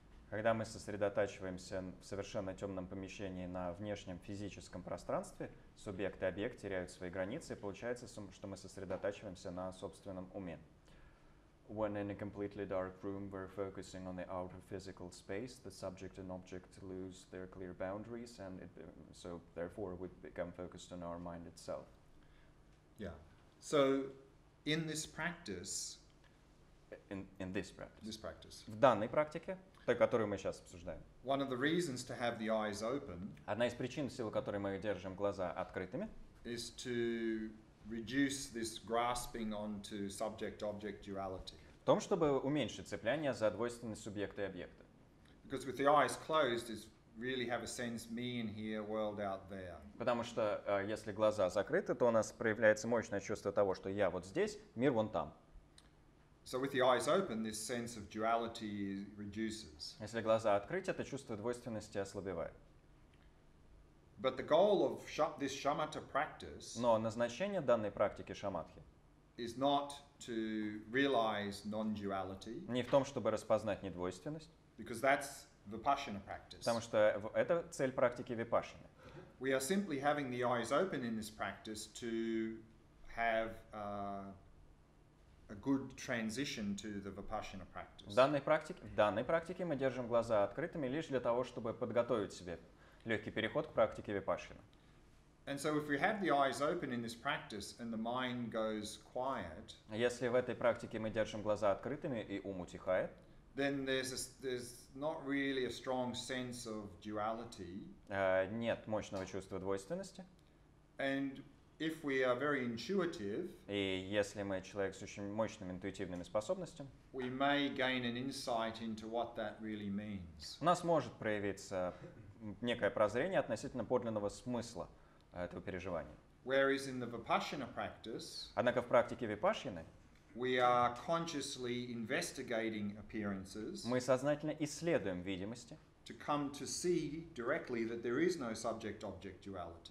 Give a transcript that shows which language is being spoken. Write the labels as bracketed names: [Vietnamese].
[Russian] Когда мы сосредотачиваемся в совершенно темном помещении на внешнем физическом пространстве, субъект и объект теряют свои границы, и получается, что мы сосредотачиваемся на собственном уме. [English] When in a completely dark room we're focusing on the outer physical space, the subject and object lose their clear boundaries, and so therefore we become focused on our mind itself. Yeah. So in this practice. In this practice. [Russian] В данной практике, той, которую мы сейчас обсуждаем. [English] One of the reasons to have the eyes open. [Russian] Одна из причин, в силу которой мы держим глаза открытыми. [English] Is to reduce this grasping onto subject-object duality. [Russian] В том, чтобы уменьшить цепляние за двойственность субъекта и объекта. [English] Because with the eyes closed, it's really have a sense me in here, world out there. [Russian] Потому что если глаза закрыты, то у нас проявляется мощное чувство того, что я вот здесь, мир вон там. [English] So with the eyes open, this sense of duality reduces. [Russian] Если глаза открыть, это чувство двойственности ослабевает. [English] But the goal of this shamatha practice. [Russian] Но назначение данной практики шамадхи. [English] Is not to realize non-duality. [Russian] Не в том, чтобы распознать недвойственность. [English] Because that's vipassana practice. [Russian] Потому что это цель практики випашьяны. [English] We are simply having the eyes open in this practice to have a good transition to the Vipassana practice. [Russian] В данной практике мы держим глаза открытыми лишь для того, чтобы подготовить себе легкий переход к практике Vipassana. [English] And so if we have the eyes open in this practice and the mind goes quiet, [Russian] если в этой практике мы держим глаза открытыми и ум утихает, [English] then there's not really a strong sense of duality. [Russian] Нет мощного чувства двойственности. [English] And if we are very intuitive, [Russian] и если мы человек с очень мощными интуитивными способностями, [English] we may gain an insight into what that really means. [Russian] У нас может проявиться некое прозрение относительно подлинного смысла этого переживания. [English] Whereas in the Vipassana practice, [Russian] однако в практике Випассаны, [English] we are consciously investigating appearances, [Russian] мы сознательно исследуем видимости, [English] to come to see directly that there is no subject-object duality.